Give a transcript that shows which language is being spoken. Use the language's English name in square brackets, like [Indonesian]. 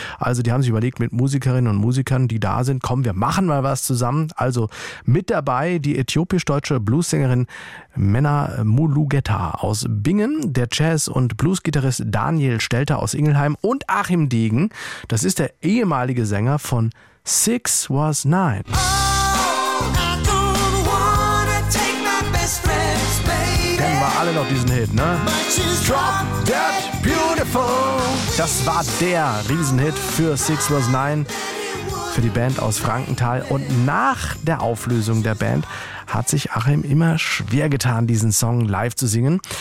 [German] Also die haben sich überlegt, mit Musikerinnen und Musikern, die da sind, kommen wir machen mal was zusammen. Also mit dabei die äthiopisch-deutsche Bluessängerin Mena Mulugeta aus Bingen, der Jazz- und Bluesgitarrist Daniel Stelter aus Ingelheim und Achim Degen, das ist der ehemalige Sänger von Six Was Nine. [English] Oh, I don't wanna take my best friend's baby. [German] Kennen wir alle noch diesen Hit, ne? [English] Drop Dead Beautiful. [German] Das war der Riesenhit für Six Was Nine, für die Band aus Frankenthal. Und nach der Auflösung der Band hat sich Achim immer schwer getan, diesen Song live zu singen.